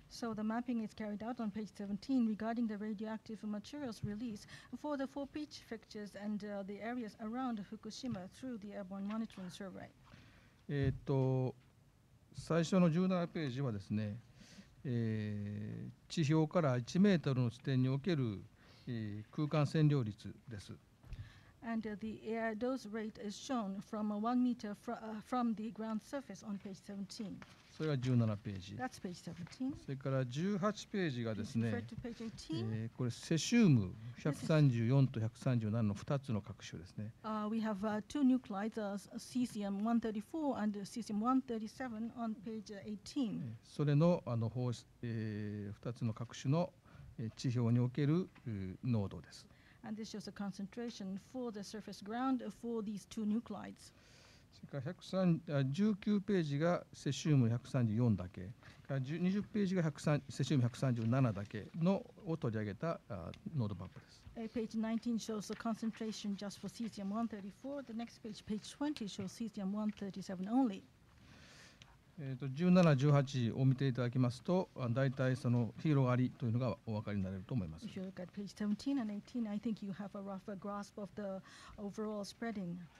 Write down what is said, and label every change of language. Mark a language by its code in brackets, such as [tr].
[en] So the mapping is carried out on page 17 regarding the radioactive materials release for the four prefectures and the areas around Fukushima through the airborne monitoring survey. [ja] 最初の17ページはですね、地表から1メートルの地点における、空間占領率です。 [en] And the air dose rate is shown from 1 meter from the ground surface on page 17. [ja] それが17ページ。 [en] That's page 17. [ja] それから18ページがですね、これセシウム 134 と137の2つの核種ですね。 [en] We have two nuclides, cesium 134 and cesium 137 on page 18. [ja] それの2つの核種の地表における濃度です。 [en] And this shows the concentration for the surface ground for these two nuclides. [ja] それから19ページがセシウム134だけ、20ページがセシウム137だけのを取り上げたノードマップです。 [en] Page 19 shows the concentration just for cesium 134. The next page, page 20, shows cesium 137 only. [ja] 17、18を見ていただきますと、大体その広がりというのがお分かりになれると思います。 [en] If you look at page 17 and 18, I think you have a rough grasp of the overall spreading.